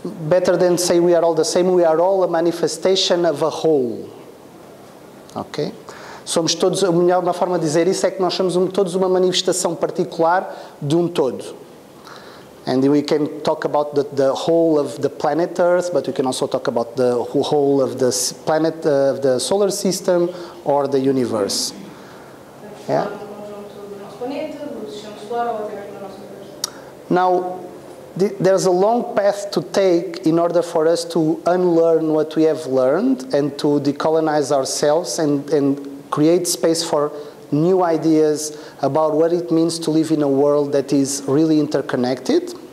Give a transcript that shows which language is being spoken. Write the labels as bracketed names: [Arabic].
[English] Better than say we are all the same, we are all a manifestation of a whole. Ok? [Portuguese] Somos todos, a melhor forma de dizer isso é que nós somos todos uma manifestação particular de um todo. [English] And we can talk about the whole of the planet Earth, but we can also talk about the whole of the planet, of the solar system, or the universe. [Portuguese] Estamos falando do conjunto do nosso planeta, do sistema solar, ou até mesmo do nosso universo. [English] There's a long path to take in order for us to unlearn what we have learned and to decolonize ourselves and create space for new ideas about what it means to live in a world that is really interconnected.